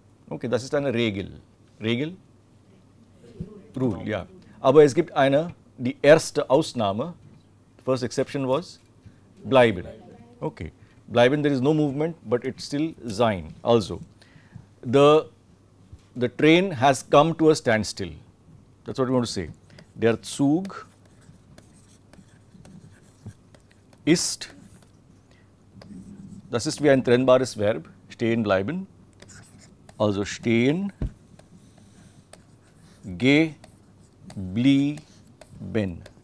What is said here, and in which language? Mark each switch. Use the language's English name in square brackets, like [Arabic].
[German] Okay, das ist eine Regel. Regel? Rule, ja. Aber es gibt eine, die erste Ausnahme, [English] first exception [German] was bleiben. [English] Okay, bleiben, there is no movement, but it's still sein. Also, the train has come to a standstill. That's what we want to say. [German] Der Zug ist, das ist wie ein trennbares Verb, stehen bleiben, also stehen geblieben.